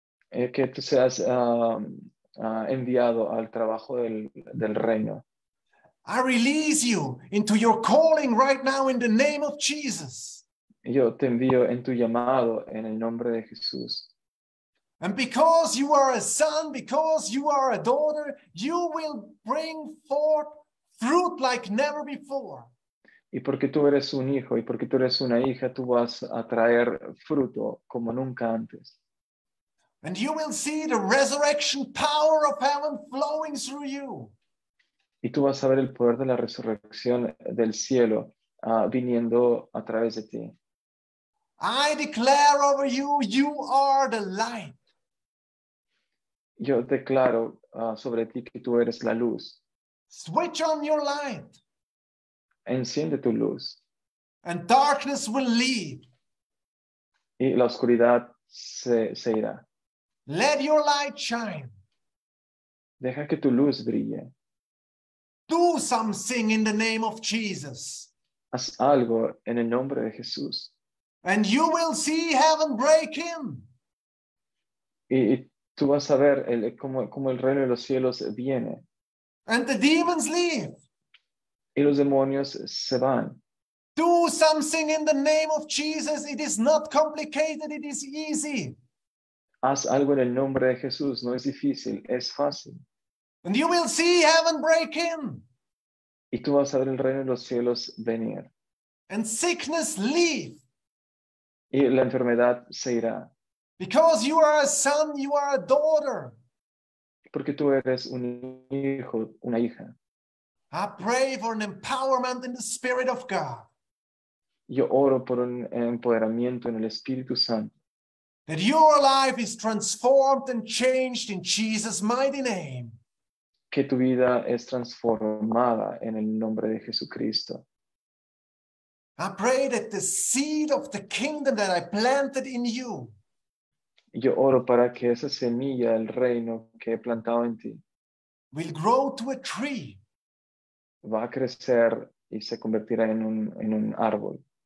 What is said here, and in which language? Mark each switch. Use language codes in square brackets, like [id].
[es] Que tú seas enviado al trabajo del reino. [en] I release you into your calling right now in the name of Jesus. [es] Yo te envío en tu llamado en el nombre de Jesús. [en] And because you are a son, because you are a daughter, you will bring forth fruit like never before. [es] Y porque tú eres un hijo y porque tú eres una hija, tú vas a traer fruto como nunca antes. [en] And you will see the resurrection power of heaven flowing through you. [es] Y tú vas a ver el poder de la resurrección del cielo viniendo a través de ti. [en] I declare over you, you are the light. [es] Yo declaro sobre ti que tú eres la luz. [en] Switch on your light. [es] Enciende tu luz. [en] And darkness will leave. [es] Y la oscuridad se irá. [en] Let your light shine. [es] Deja que tu luz brille. [en] Do something in the name of Jesus. [es] Haz algo en el nombre de Jesús. [en] And you will see heaven break in. [es] Y tú vas a ver cómo el reino de los cielos viene. [en] And the demons leave. [es] Y los demonios se van. [en] Do something in the name of Jesus. It is not complicated. It is easy. [es] Haz algo en el nombre de Jesús. No es difícil. Es fácil. [en] And you will see heaven break in. [es] Y tú vas a ver el reino de los cielos venir. [en] And sickness leave. [es] Y la enfermedad se irá. [en] Because you are a son, you are a daughter. [es] Porque tú eres un hijo, una hija. [en] I pray for an empowerment in the Spirit of God. [es] Yo oro por un empoderamiento en el Espíritu Santo. [en] That your life is transformed and changed in Jesus' mighty name. [es] Que tu vida es transformada en el nombre de Jesucristo. [en] I pray that the seed of the kingdom that I planted in you. [es] Yo oro para que esa semilla del reino que he plantado en ti [en] will grow to a tree. [es] Va a crecer y se convertirá en un árbol.